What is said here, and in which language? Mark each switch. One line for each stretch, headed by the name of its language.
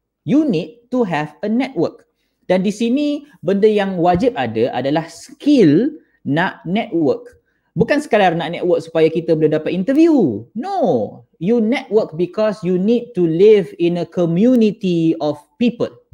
English: You need to have a network.
Malay: Dan di sini benda yang wajib ada adalah skill nak network. Bukan sekadar nak network supaya kita boleh dapat interview. No.
English: You network because you need to live in a community of people.